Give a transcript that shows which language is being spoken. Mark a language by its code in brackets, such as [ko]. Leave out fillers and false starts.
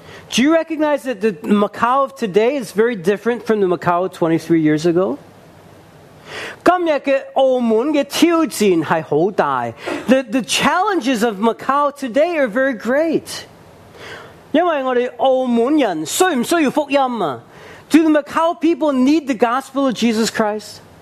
[en] Do you recognize that the Macau of today is very different from the Macau of 23 years ago? [yue] 今天的澳门的挑战是很大, [en] the challenges of Macau today are very great. [yue] 因为我们澳门人需不需要福音啊? [en] Do the Macau people need the gospel of Jesus Christ?